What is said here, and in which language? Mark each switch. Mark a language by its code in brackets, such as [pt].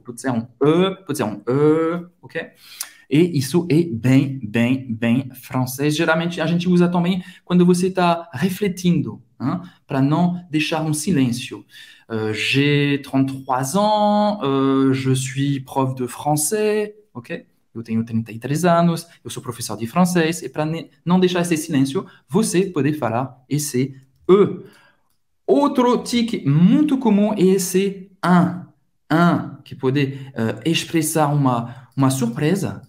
[pt] Pode ser um E, pode ser um E, ok? E isso é bem, bem, bem francês. Geralmente, a gente usa também quando você está refletindo, hein? Para não deixar um silêncio. [fr] J'ai 33 ans, je suis prof de français, ok? [pt] Eu tenho 33 anos, eu sou professor de francês, e para não deixar esse silêncio, você pode falar esse E. Outro tique muito comum é esse un. Un, que pode expressar uma surpresa.